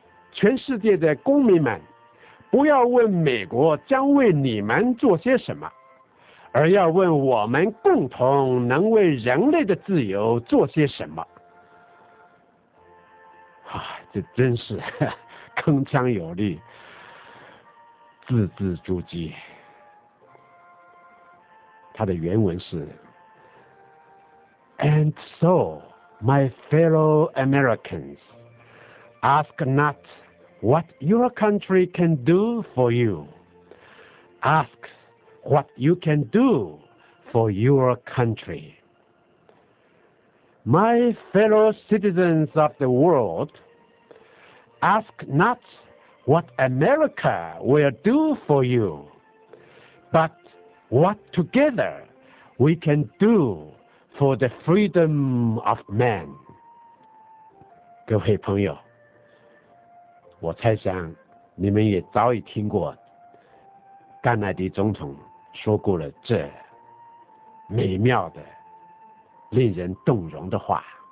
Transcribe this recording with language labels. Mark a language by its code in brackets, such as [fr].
[zh] 全世界的公民们，不要问美国将为你们做些什么，而要问我们共同能为人类的自由做些什么。啊，这真是铿锵有力，字字珠玑。它的原文是 [en] And so, my fellow Americans, ask notWhat your country can do for you, ask what you can do for your country. My fellow citizens of the world, ask not what America will do for you, but what together we can do for the freedom of man. [zh] 各位朋友，我猜想你们也早已听过甘乃迪总统说过了这美妙的令人动容的话。